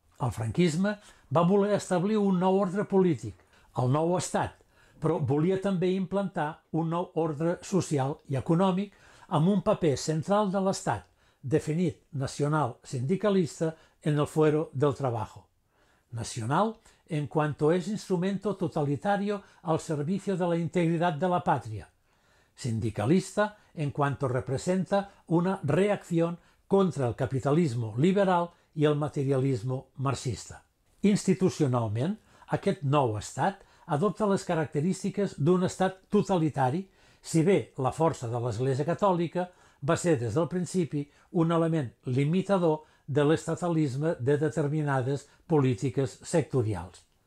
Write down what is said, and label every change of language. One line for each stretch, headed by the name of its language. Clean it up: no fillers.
Catalan: El franquisme va voler establir un nou ordre polític, el nou estat, però volia també implantar un nou ordre social i econòmic amb un paper central de l'estat, definit nacional sindicalista en el fuero del trabajo.
Spanish: Nacional en cuanto es instrumento totalitario al servicio de la integridad de la patria. Sindicalista en cuanto representa una reacción contra el capitalismo liberal y el materialismo marxista.
Catalan: Institucionalment, aquest nou estat adopta les característiques d'un estat totalitari, si bé la força de l'Església Catòlica va ser des del principi un element limitador de l'estatalisme de determinades polítiques sectorials.